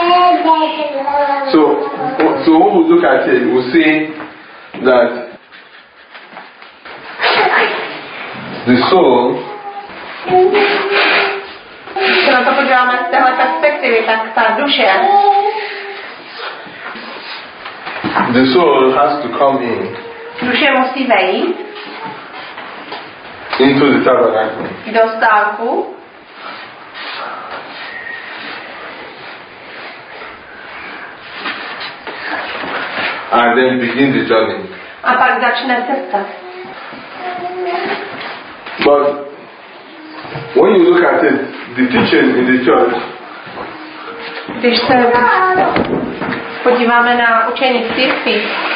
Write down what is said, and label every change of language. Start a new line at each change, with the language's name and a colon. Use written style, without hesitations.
English: So when we look at it, we see that the soul.
Czech: Na to podíváme z téhle perspektivy, tak ta duše.
English: The soul has to come in.
Czech: Duše musí vejít.
English: Into the tabernacle.
Czech: Do stánku.
English: And then begin the journey.
Czech: A pak začne cesta.
English: But when you look at it, the teaching in the church.
Czech: Když se podíváme na učení v církvi.